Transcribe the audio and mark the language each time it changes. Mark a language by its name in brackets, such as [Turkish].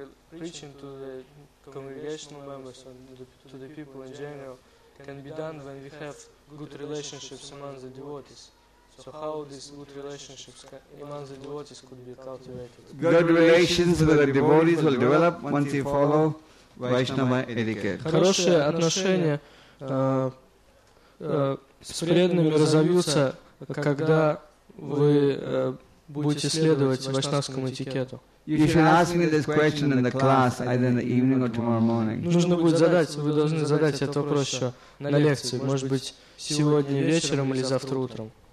[English] Preaching to the congregational members and to the people in general can be done when we have good relationships among the devotees. So how these good relationships among the devotees could be cultivated? Good relations with the devotees will develop once you follow Vaishnava etiquette. [Russian] Хорошие отношения с преданными разовьются, когда вы будете следовать вайшнавскому этикету. [English] You should ask me this question in the class, either in the evening or tomorrow morning. [Russian] Нужно будет задать, вы должны задать этот вопрос еще на лекции, может быть, сегодня вечером или завтра утром.